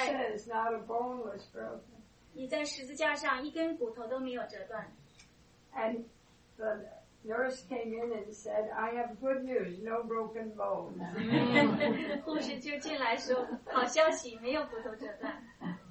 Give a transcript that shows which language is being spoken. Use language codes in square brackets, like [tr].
[en] The scripture says not a bone was broken. [zh] 你在十字架上一根骨头都没有折断。 [en] And the nurse came in and said, "I have good news. No broken bones." [zh] 护士就进来说：“好消息，没有骨头折断。”